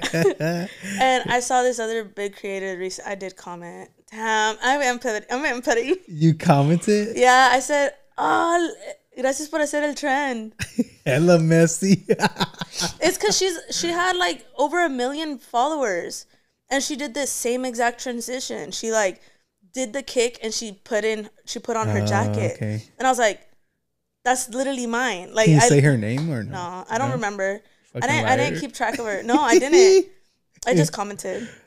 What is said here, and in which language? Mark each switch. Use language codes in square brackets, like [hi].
[en] And I saw this other big creator recently. I did comment. Damn, I'm empathy. You commented? Yeah, I said, [es] gracias por hacer el trend. [en] Hella messy. It's because she had like over 1 million followers. And she did this same exact transition. She like did the kick and she put on her jacket. Okay. And I was like, that's literally mine. Like, can you say her name or no? No, I don't remember. I didn't keep track of her. No, I didn't. I just commented.